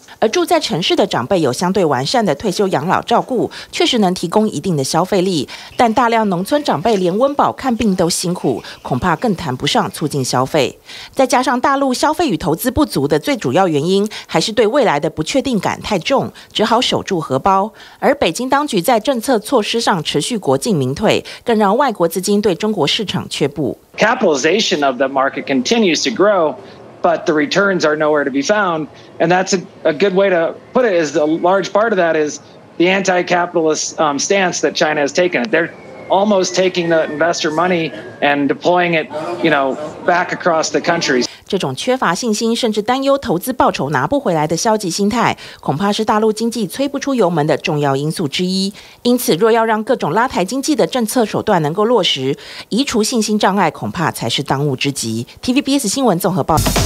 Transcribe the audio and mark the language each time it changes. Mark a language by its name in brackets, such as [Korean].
[Chinese] 而住在城市的长辈有相对完善的退休养老照顾，确实能提供一定的消费力，但大量农村长辈连温饱看病都辛苦，恐怕更谈不上促进消费。再加上大陆消费与投资不足的最主要原因还是对未来的不确定感太重，只好守住荷包。而北京当局在政策措施上持续国进民退，更让外国资金对中国市场却步。 [English] Capitalization of the market continues to growBut the returns are nowhere to be found. And that's a good way to put it, is a large part of that is the anti-capitalist stance that China has taken. They're almost taking the investor money and deploying it, you know, back across the country. [Chinese] 这种缺乏信心甚至担忧投资报酬拿不回来的消极心态，恐怕是大陆经济催不出油门的重要因素之一。因此，若要让各种拉抬经济的政策手段能够落实，移除信心障碍恐怕才是当务之急。 TVBS 新闻综合报道。